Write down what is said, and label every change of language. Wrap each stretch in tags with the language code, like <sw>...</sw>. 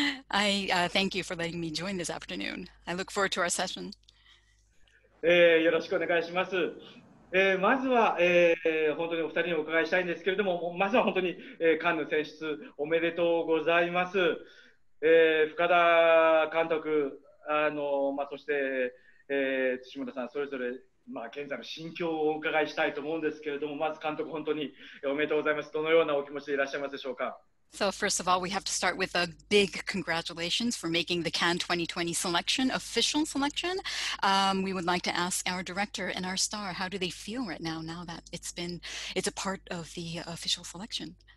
<en>I thank you for letting me join this afternoon. I look forward to our session.</en> <ja>よろしくお願いします。まずは、本当にお二人にお伺いしたいんですけれども、まずは本当に、カンヌ選出おめでとうございます。深田監督、まあ、そして、土村さん、それぞれ、まあ、現在の心境をお伺いしたいと思うんですけれども、まず監督、本当におめでとうございます。どのようなお気持ちでいらっしゃいますでしょうか。</ja> <en>So first of all, we have to start with a big congratulations for making the Cannes 2020 selection, official selection. We would like to ask our director and our star, how do they feel right now, now that it's a part of the official selection?</en>